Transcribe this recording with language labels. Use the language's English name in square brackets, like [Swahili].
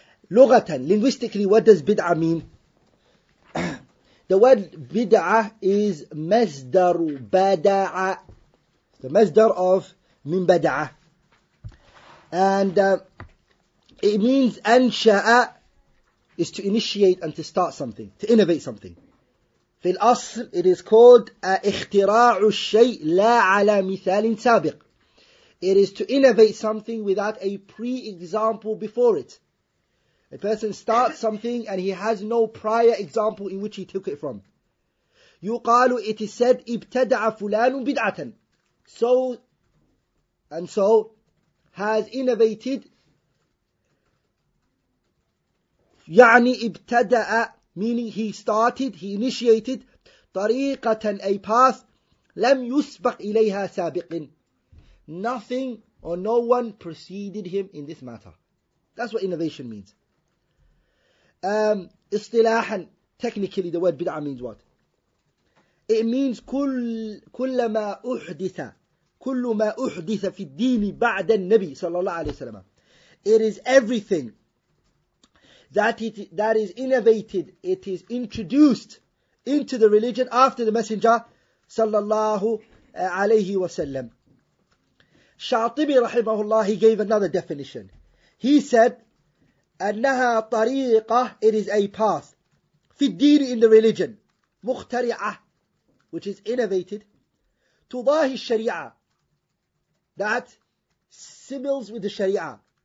[English] Lughatan, linguistically, what does bid'ah mean? The word bid'ah is masdar bada'a. The masdar of min bada'a. And it means ansha'a, is to initiate and to start something, to innovate something. [Arabic] في الأصل, [English] it is called [Arabic] اختراع الشيء لا على مثال سابق. [English] It is to innovate something without a pre-example before it. A person starts something and he has no prior example in which he took it from. [Arabic] يقال, [English] it is said, [Arabic] ابتدع فلان بدعة. [English] So and so has innovated. [Arabic] يعني ابتدع, [English] meaning he started, he initiated, [Arabic] طريقةً, [English] a path, [Arabic] لم يسبق إليها سابقٍ. [English] Nothing or no one preceded him in this matter. That's what innovation means. [Arabic] إصطلاحاً, [English] technically the word bid'ah means what? It means [Arabic] كل ما أحدث, كل ما أحدث في الدين بعد النبي صلى الله عليه وسلم. [English] It is everything that is innovated, it is introduced into the religion after the messenger sallallahu alayhi wa sallam. Shatibi rahimahullah, he gave another definition. He said, annaha tariqah, it is a path, fi ddeen, in the religion, mukhtari'ah, which is innovated, tudahi sharia, that similes with the sharia.